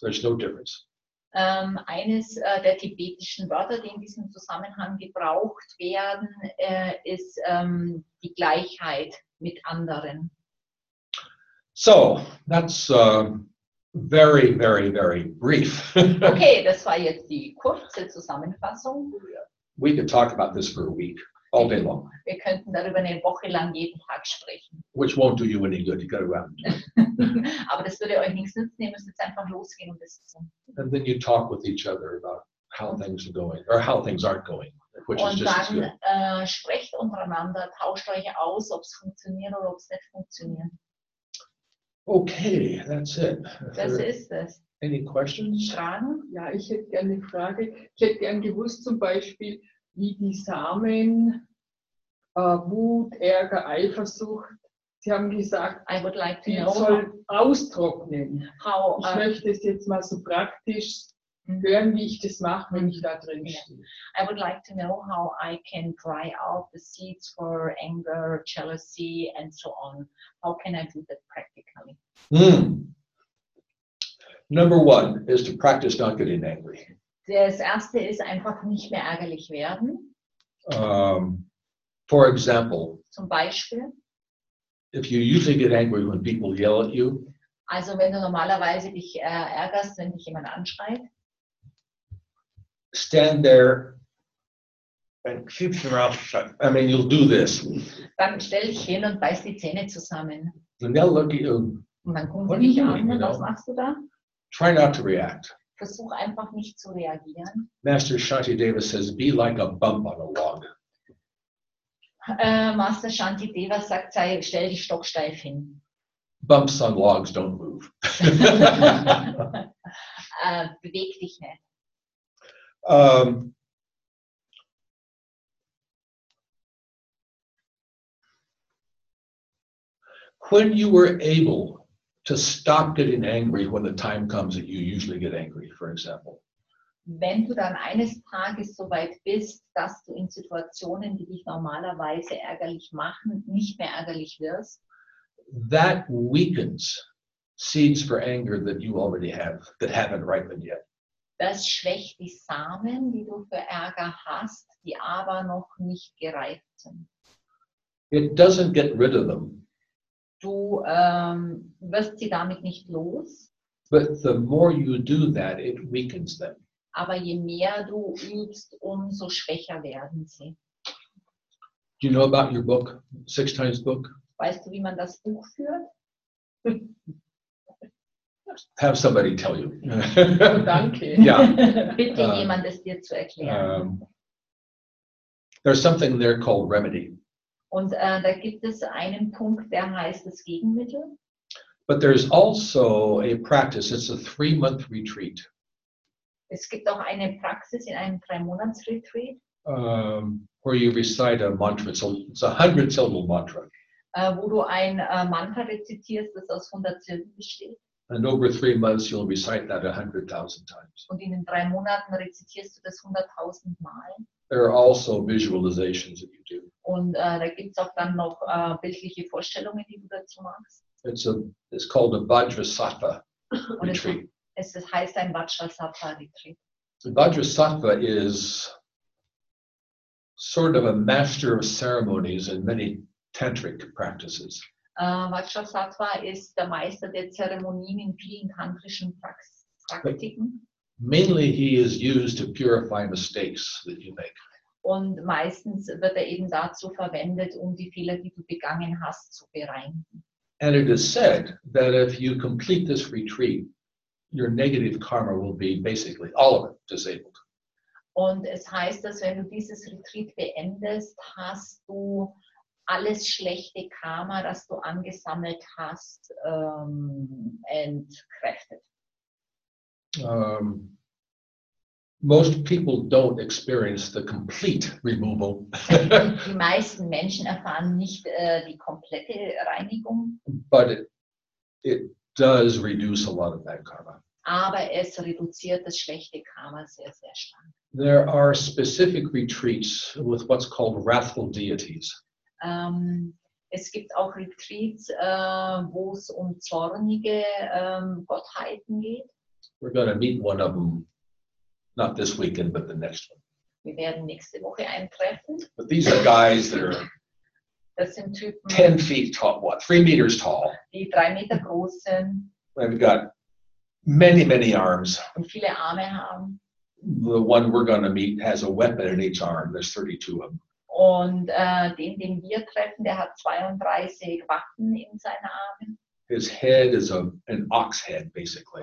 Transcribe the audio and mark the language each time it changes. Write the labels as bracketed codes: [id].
[en] There's no difference. [de] Eines der tibetischen Wörter, die in diesem Zusammenhang gebraucht werden, ist die Gleichheit mit anderen. [en] So, that's... Very, very, very brief. [de] Okay, das war jetzt die kurze Zusammenfassung. [en] We could talk about this for a week, all day long. [de] Wir könnten darüber eine Woche lang jeden Tag sprechen. [en] Which won't do you any good. You got to go out and do it. [de] Aber das würde euch nichts nützen. Ihr müsst jetzt einfach losgehen und das tun. [en] And then you talk with each other about how things are going or how things aren't going, which [de] und [en] is just [de] dann, [en] as good. [de] Sprecht untereinander, tauscht euch aus, ob es funktioniert oder ob es nicht funktioniert. [en] Okay, that's it. [de] Das ist es. [en] Any questions? [de] Fragen? Ja, ich hätte gerne eine Frage. Ich hätte gerne gewusst zum Beispiel, wie die Samen Wut, Ärger, Eifersucht, sie haben gesagt, [en] I would like to [de] die [en] know [de] soll [en] how [de] austrocknen. [en] How, [de] ich möchte es jetzt mal so praktisch hören, wie ich das mache, wenn ich da drin stehe. [en] I would like to know how I can dry out the seeds for anger, jealousy and so on. How can I do that practically? Number one is to practice not getting angry. [de] Das erste ist einfach nicht mehr ärgerlich werden. [en] For example, [de] zum Beispiel, [en] if you usually get angry when people yell at you, [de] also wenn du normalerweise dich ärgerst, wenn dich jemand anschreit, [en] stand there and keep your mouth shut. I mean, you'll do this. [de] Dann stell dich hin und beiß die Zähne zusammen. [en] And they'll look at you. [de] Und dann gucken sie dich an. Was machst du da? [en] Try not to react. [de] Versuch einfach nicht zu reagieren. [en] Master Shanti Deva says, be like a bump on a log. [de] Master Shanti Deva sagt, stell dich stocksteif hin. [en] Bumps on logs don't move. [de] beweg dich nicht. [en] When you were able to stop getting angry when the time comes that you usually get angry, for example. [de] Wenn du dann eines Tages so weit bist, dass du in Situationen, die dich normalerweise ärgerlich machen, nicht mehr ärgerlich wirst. [en] That weakens seeds for anger that you already have, that haven't ripened yet. [de] Das schwächt die Samen, die du für Ärger hast, die aber noch nicht gereift sind. [en] It doesn't get rid of them. [de] Du wirst sie damit nicht los. [en] But the more you do that, it weakens them. [de] Aber je mehr du übst, umso schwächer werden sie. [en] Do you know about your book, Six Times Book? [de] Weißt du, wie man das Buch führt? [en] Have somebody tell you. [de] Danke. [en] Yeah. [de] Bitte jemand es dir zu erklären. [en] There's something there called remedy. [de] Und da gibt es einen Punkt, der heißt das Gegenmittel. [en] But there's also a practice. It's a 3-month retreat. [de] Es gibt auch eine Praxis in einem 3-Monats-Retreat. [en] Where you recite a mantra. It's a 100-syllable mantra. [de] Wo du ein Mantra rezitierst, das aus 100 Silben besteht. [en] And over 3 months, you'll recite that 100,000 times. [de] Und in den 3 Monaten rezitierst du das 100,000 Mal. [en] There are also visualizations that you do. [de] Und da gibt's auch dann noch bildliche Vorstellungen, die du dazu machst. [en] It's called a Vajrasattva retreat. [de] Es heißt ein Vajrasattva retreat. [en] Vajrasattva is sort of a master of ceremonies in many tantric practices. [de] Vajrasattva ist der Meister der Zeremonien in vielen tantrischen Praktiken. [en] Mainly he is used to purify mistakes that you make. [de] Und meistens wird eben dazu verwendet, die Fehler, die du begangen hast, zu bereinigen. [en] And it is said that if you complete this retreat, your negative karma will be basically all of it disabled. [de] Und es heißt, dass wenn du dieses Retreat beendest, hast du alles schlechte Karma, das du angesammelt hast, entkräftet. [en] Most people don't experience the complete removal. [de] Die meisten Menschen erfahren nicht die komplette Reinigung. [en] But it does reduce a lot of bad karma. [de] Aber es reduziert das schlechte Karma sehr, sehr stark. [en] There are specific retreats with what's called wrathful deities. [de] Es gibt auch Retreats, wo es zornige Gottheiten geht. [en] We're going to meet one of them, not this weekend, but the next one. [de] Wir werden nächste Woche eintreffen. [en] But these are guys that are [de] das sind Typen, [en] 10 feet tall, what, 3 meters tall. [de] Die 3 Meter groß sind. [en] We've got many, many arms. [de] Und viele Arme haben. [en] The one we're going to meet has a weapon in each arm. There's 32 of them. [de] Und den wir treffen, der hat 32 Waffen in seinen Armen. [en] His head is an ox head, basically.